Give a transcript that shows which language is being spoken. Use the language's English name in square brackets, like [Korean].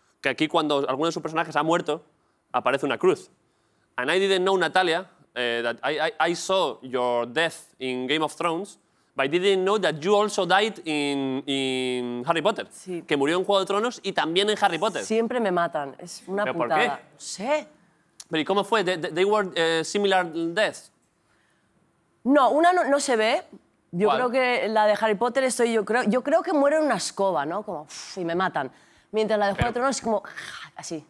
[Spanish] Que aquí cuando alguno de sus personajes ha muerto, aparece una cruz. [English] And I didn't know, Natalia, that I saw your death in Game of Thrones, but I didn't know that you also died in Harry Potter. [Spanish] Sí. Que murió en Juego de Tronos y también en Harry Potter. Siempre me matan, es una ¿Pero putada. ¿Por qué? Sí. ¿Pero y cómo fue? [English] They were similar deaths. [Spanish] No, una no se ve. Yo ¿Cuál? Creo que la de Harry Potter estoy yo creo que muero en una escoba, ¿no? Como uff, y me matan. Mientras la de Juego de Tronos es como así.